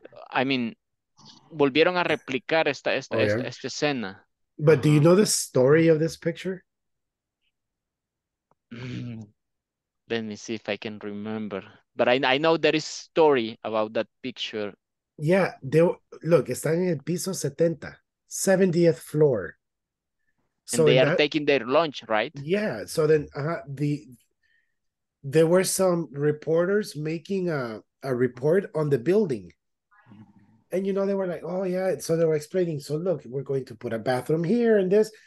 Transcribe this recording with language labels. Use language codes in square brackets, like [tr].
[en] I mean, [es] volvieron a replicar esta escena. [en] But do you know the story of this picture? Let me see if I can remember. But I know there is story about that picture. Yeah, look, [es] están en el piso 70, [en] 70th floor. So and they are taking their lunch, right? Yeah, so then there were some reporters making a report on the building. And, you know, they were like, oh, yeah. So they were explaining, so look, we're going to put a bathroom here and this.